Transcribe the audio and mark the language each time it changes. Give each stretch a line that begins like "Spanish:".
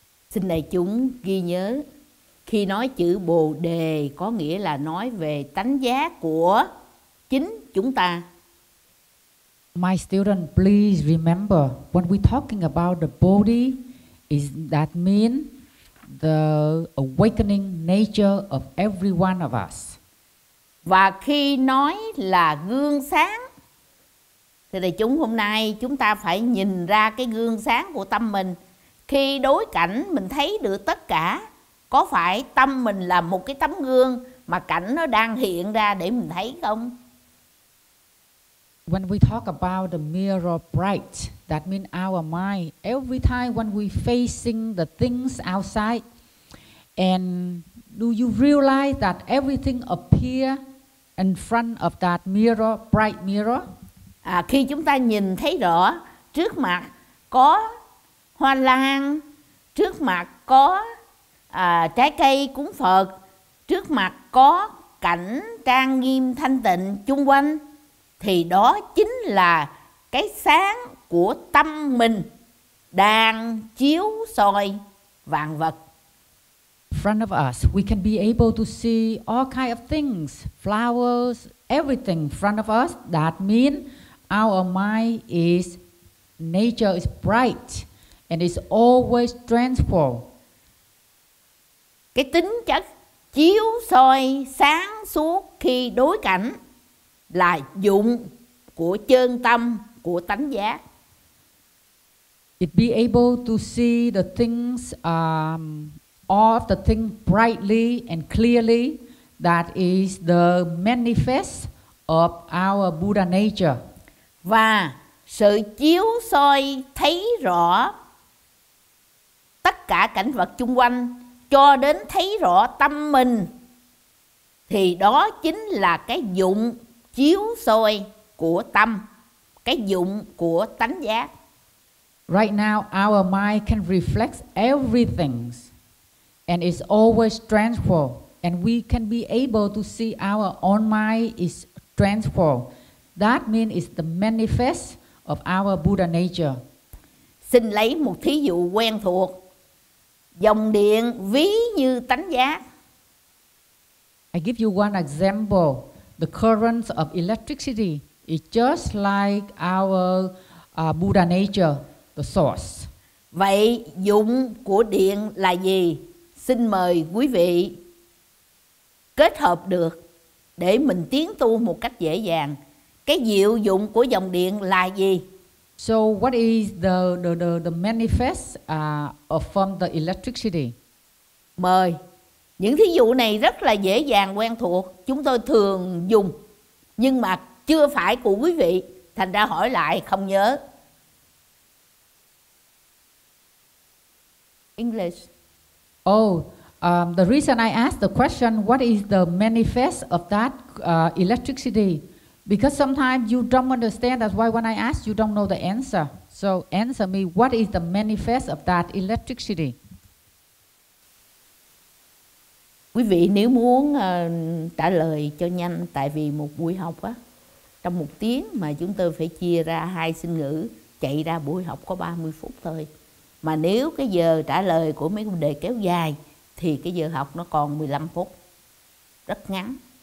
Vietnamese: Xin đại chúng ghi nhớ, khi nói chữ Bồ Đề có nghĩa là nói về tánh giác của chính chúng ta.
English: My student, please remember, when we talking about the body, is that mean the awakening nature of every one of us?
Vietnamese: Và khi nói là gương sáng, thì đại chúng hôm nay chúng ta phải nhìn ra cái gương sáng của tâm mình. Khi đối cảnh mình thấy được tất cả, có phải tâm mình là một cái tấm gương mà cảnh nó đang hiện ra để mình thấy không?
English: When we talk about the mirror bright, that means our mind, every time when we facing the things outside, and do you realize that everything appear in front of that mirror, bright mirror?
Vietnamese: À, khi chúng ta nhìn thấy rõ trước mặt có hoa lan, trước mặt có trái cây cúng Phật, trước mặt có cảnh trang nghiêm thanh tịnh chung quanh, thì đó chính là cái sáng của tâm mình đang chiếu soi vạn vật.
English: In front of us, we can be able to see all kind of things, flowers, everything in front of us. That means our mind is, nature is bright. And it's always transform.
Vietnamese: Cái tính chất chiếu soi sáng suốt khi đối cảnh là dụng của chân tâm của tánh giác.
English: It be able to see the things, all of the things brightly and clearly. That is the manifest of our Buddha nature.
Vietnamese: Và sự chiếu soi thấy rõ tất cả cảnh vật chung quanh cho đến thấy rõ tâm mình thì đó chính là cái dụng chiếu soi của tâm, cái dụng của tánh giác.
English: Right now our mind can reflect everything and it's always transformed and we can be able to see our own mind is transformed. That means it's the manifest of our Buddha nature.
Vietnamese: Xin lấy một thí dụ quen thuộc. Dòng điện ví như tánh giác.
English: I give you one example. The currents of electricity is just like our Buddha nature, the source.
Vietnamese: Vậy dụng của điện là gì? Xin mời quý vị kết hợp được để mình tiến tu một cách dễ dàng. Cái diệu dụng của dòng điện là gì?
English: So what is the manifest from the electricity?
Vietnamese: Mời. Những thí dụ này rất là dễ dàng quen thuộc, chúng tôi thường dùng nhưng mà chưa phải của quý vị, thành ra hỏi lại không nhớ.
English: English. The reason I asked the question what is the manifest of that electricity? Because sometimes you don't understand, that's why when I ask you don't know the answer. So answer me, what is the manifest of that electricity?
Vietnamese: Quý vị nếu muốn trả lời cho nhanh, tại vì một buổi học á, trong một tiếng mà chúng tôi phải chia ra hai sinh ngữ, chạy ra buổi học có 30 phút thôi. Mà nếu cái giờ trả lời của mấy vấn đề kéo dài, thì cái giờ học nó còn 15 phút, rất ngắn.